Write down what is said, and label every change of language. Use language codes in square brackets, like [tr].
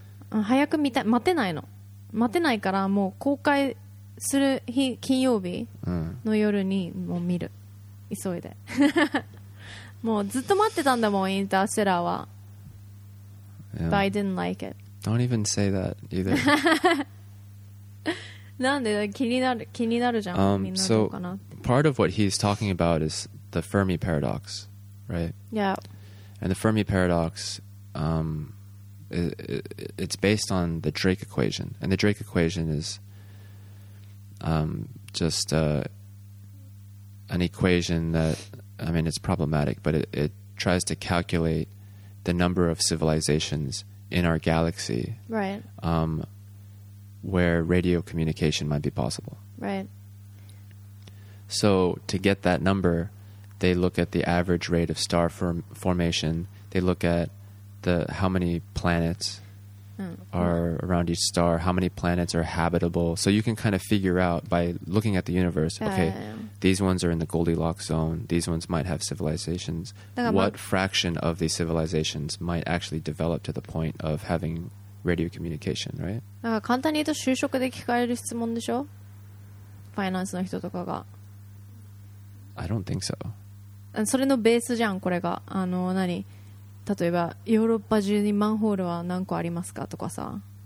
[ja] 早く見たい。待てないの。待てないからもう公開する日、金曜日の夜にもう見る。急いで。もうずっと待ってたんだもん、インターステラーは。 [en] Yeah. But I didn't like it. Don't even say that either. [ja] なんで気になるじゃん、みんなどうかな。 [en] So, part of what he's talking about is the Fermi paradox, right? Yeah. And the Fermi paradox, it's based on the Drake equation. And the Drake equation is an equation that, I mean, it's problematic, but it tries to calculate the number of civilizations in our galaxy. Right. Where radio communication might be possible. Right. So to get that number, they look at the average rate of star formation. They look at how many planets are around each star, how many planets are habitable. So you can kind of figure out by looking at the universe, these ones are in the Goldilocks zone. These ones might have civilizations. What fraction of these civilizations might actually develop to the point of having radio communication, right? [ja] なんか簡単に言うと就職で聞かれる質問でしょ？ファイナンスの人とかが。 [en] I don't think so. [ja] それのベースじゃん、これが。何？例えば、ヨーロッパ中にマンホールは何個ありますかとかさ。